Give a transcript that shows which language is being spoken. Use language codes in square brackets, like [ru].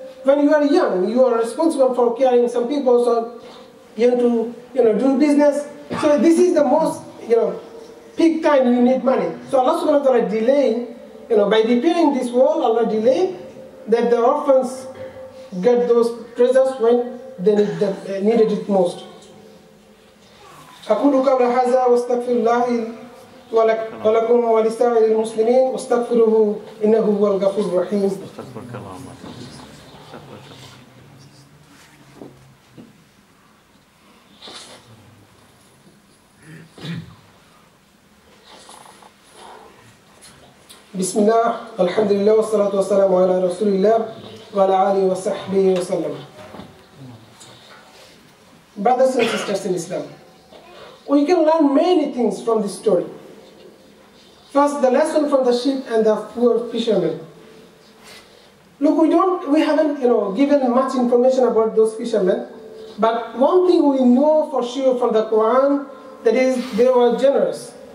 [en] when you are young, you are responsible for caring some people, so you have to, you know, do business. So this is the most, you know, peak time you need money. So Allah subhanahu wa ta'ala delay, you know, by repairing this wall, Allah delay that the orphans get those treasures when they need them, needed it most. [ar] أقول قول هذا واستغفر الله ولكم ولسائر المسلمين واستغفره إنه هو الغفور الرحيم. بسم الله الحمد لله والصلاة والسلام على رسول الله وعلى آله وصحبه وسلم. [en] Brothers and sisters in Islam, we can learn many things from this story. First, the lesson from the sheep and the poor fishermen. Look, we haven't, you know, given much information about those fishermen, but one thing we know for sure from the Quran, that is, they were generous.